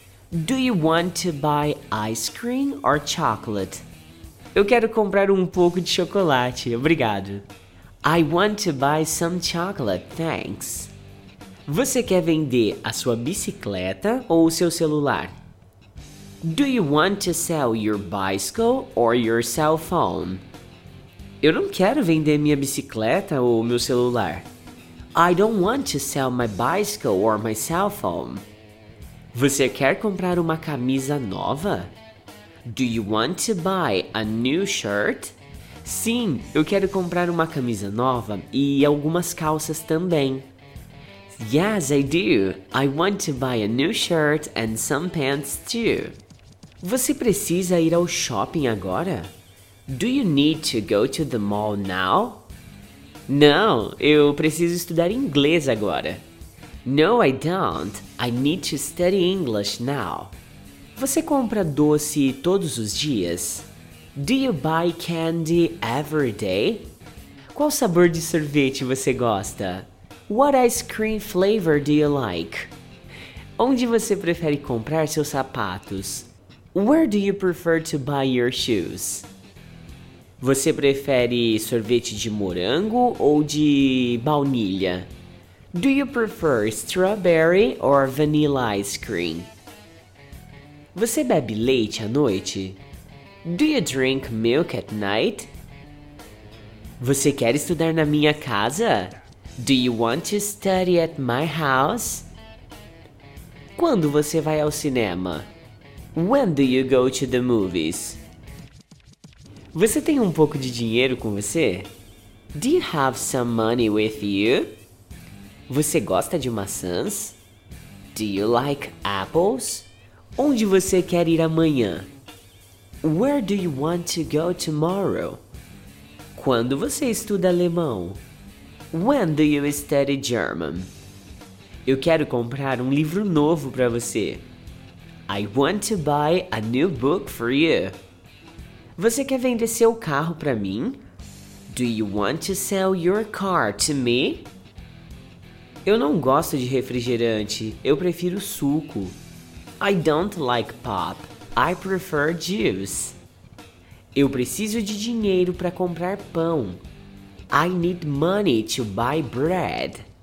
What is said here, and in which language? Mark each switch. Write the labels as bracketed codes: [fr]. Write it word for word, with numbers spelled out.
[en] Do you want to buy ice cream or chocolate? [pt] Eu quero comprar um pouco de chocolate, obrigado. [en] I want to buy some chocolate, thanks. [pt] Você quer vender a sua bicicleta ou o seu celular? [en] Do you want to sell your bicycle or your cell phone? [pt] Eu não quero vender minha bicicleta ou meu celular. [en] I don't want to sell my bicycle or my cell phone. [pt] Você quer comprar uma camisa nova? [en] Do you want to buy a new shirt? [pt] Sim, eu quero comprar uma camisa nova e algumas calças também. [en] Yes, I do. I want to buy a new shirt and some pants too. [pt] Você precisa ir ao shopping agora? Do you need to go to the mall now? Não, eu preciso estudar inglês agora. [en] No, I don't. I need to study English now. [pt] Você compra doce todos os dias? [en] Do you buy candy every day? [pt] Qual sabor de sorvete você gosta? [en] What ice cream flavor do you like? [pt] Onde você prefere comprar seus sapatos? [en] Where do you prefer to buy your shoes? [pt] Você prefere sorvete de morango ou de baunilha? [en] Do you prefer strawberry or vanilla ice cream? [pt] Você bebe leite à noite? [en] Do you drink milk at night? [pt] Você quer estudar na minha casa? [en] Do you want to study at my house? [pt] Quando você vai ao cinema? [en] When do you go to the movies? [pt] Você tem um pouco de dinheiro com você? [en] Do you have some money with you? [pt] Você gosta de maçãs? [en] Do you like apples? [pt] Onde você quer ir amanhã? [en] Where do you want to go tomorrow? [pt] Quando você estuda alemão? [en] When do you study German? [pt] Eu quero comprar um livro novo para você. [en] I want to buy a new book for you. [pt] Você quer vender seu carro para mim? [en] Do you want to sell your car to me? [pt] Eu não gosto de refrigerante, eu prefiro suco. [en] I don't like pop, I prefer juice. [pt] Eu preciso de dinheiro para comprar pão. [en] I need money to buy bread.